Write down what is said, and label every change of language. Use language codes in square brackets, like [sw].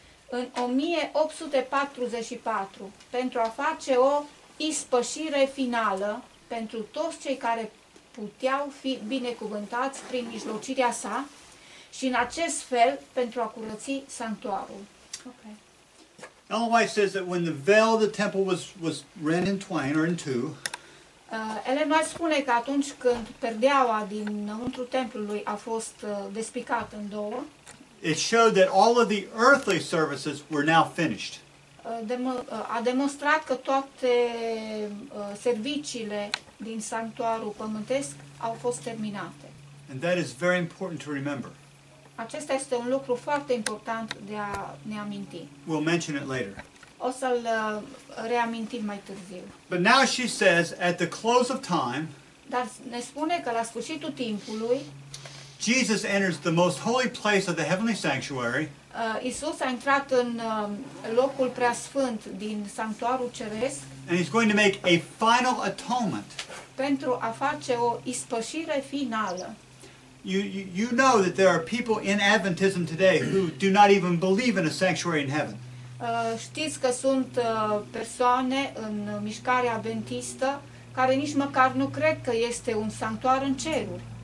[ro] în 1844, pentru a face o ispășire finală pentru toți cei care puteau fi binecuvântați prin mijlocirea sa și în acest fel pentru a curăți sanctuarul. [en] Okay. Ellen White says that when the veil of the temple was rent in twain or in two, [ro] Ellen White spune că atunci când perdeaua dinăuntru templului a fost despicată în două, [en] it showed that all of the earthly services were now finished. [ro] A demonstrat că toate serviciile din sanctuarul pământesc au fost terminate. [en] And that is very important to remember. [ro] Acesta este un lucru foarte important de a ne aminti. [en] We'll mention it later. [ro] O să-l reamintim mai târziu. [en] But now she says, at the close of time, [ro] dar ne spune că la sfârșitul timpului, [en] Jesus enters the most holy place of the heavenly sanctuary. [ro] Isus a intrat în locul preasfânt din sanctuarul ceresc. [en] And he's going to make a final atonement. [ro] Pentru a face o ispășire finală. [en] You know that there are people in Adventism today who do not even believe in a sanctuary in heaven. [ro] Știți că sunt persoane în mișcarea adventistă care nici măcar nu cred că este un sanctuar în ceruri.